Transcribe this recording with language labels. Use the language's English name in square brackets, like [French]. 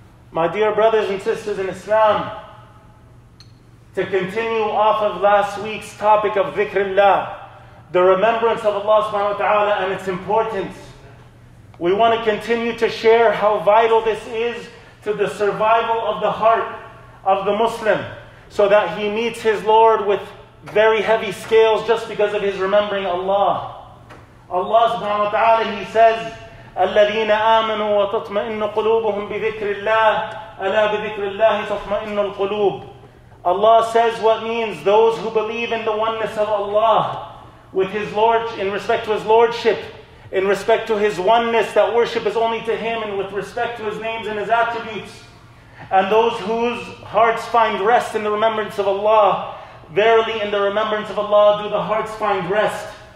[English] My dear brothers and sisters in Islam, to continue off of last week's topic of dhikrillah, the remembrance of Allah subhanahu wa ta'ala and its importance, we want to continue to share how vital this is to the survival of the heart of the Muslim, so that he meets his Lord with very heavy scales just because of his remembering Allah. [Arabic] Allah subhanahu wa ta'ala, [English] he says, [Arabic] الَّذِينَ آمَنُوا وَتَطْمَئِنُّ قُلُوبُهُمْ بِذِكْرِ اللَّهِ أَلَا بِذِكْرِ اللَّهِ تَطْمَئِنُّ الْقُلُوبُ. [English] Allah says what means those who believe in the oneness of Allah with his Lord, in respect to his Lordship, in respect to his oneness, that worship is only to him, and with respect to his names and his attributes, and those whose hearts find rest in the remembrance of Allah, verily in the remembrance of Allah do the hearts find rest.